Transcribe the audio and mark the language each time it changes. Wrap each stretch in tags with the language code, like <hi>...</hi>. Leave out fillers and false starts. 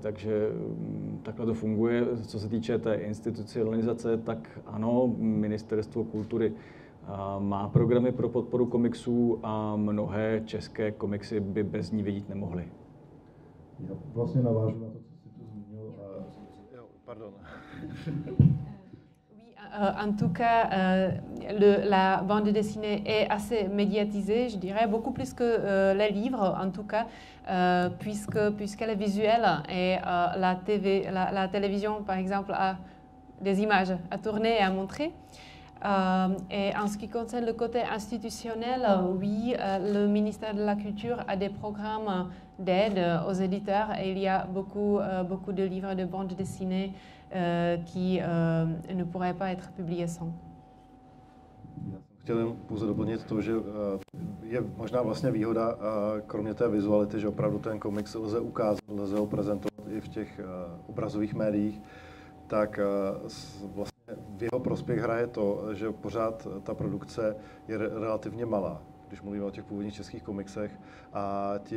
<cs>Takže takhle to funguje. Co se týče té institucionalizace, tak ano, Ministerstvo kultury má programy pro podporu komiksů a mnohé české komiksy by bez ní vidět nemohly. Jo, vlastně navážu na to, co jsi tu zmínil. Jo, pardon.</cs> <fr>Oui, En tout cas, la bande dessinée est assez médiatisée, je dirais, beaucoup plus que les livres, en tout cas, puisqu'elle est visuelle et la télévision, par exemple, a des images à tourner et à montrer. Et en ce qui concerne le côté institutionnel, oui, le ministère de la Culture a des programmes d'aide aux éditeurs et il y a beaucoup de livres de bandes dessinées qui ne pourraient pas être publiés sans.</fr> <cs>Chtěl jen pouze doplnit to, že je možná vlastně výhoda, kromě té vizuality, že opravdu ten komiks lze ukázat, lze ho prezentovat i v těch obrazových médiích, tak vlastně v jeho prospěch hraje to, že pořád ta produkce je relativně malá, když mluvíme o těch původních českých komiksech, a</cs>